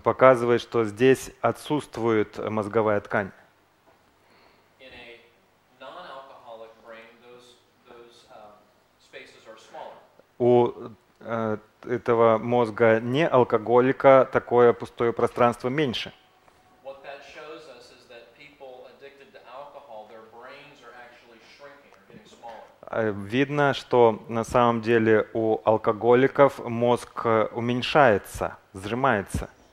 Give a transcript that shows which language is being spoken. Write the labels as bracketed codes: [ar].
[ru] Показывает, что здесь отсутствует мозговая ткань. [en] In a non-alcoholic brain, those spaces are smaller. [ru] У этого мозга не алкоголика такое пустое пространство меньше. [en] What that shows us is that people addicted to alcohol, their brains are actually shrinking, or getting smaller. [ru] Видно, что на самом деле у алкоголиков мозг уменьшается, сжимается.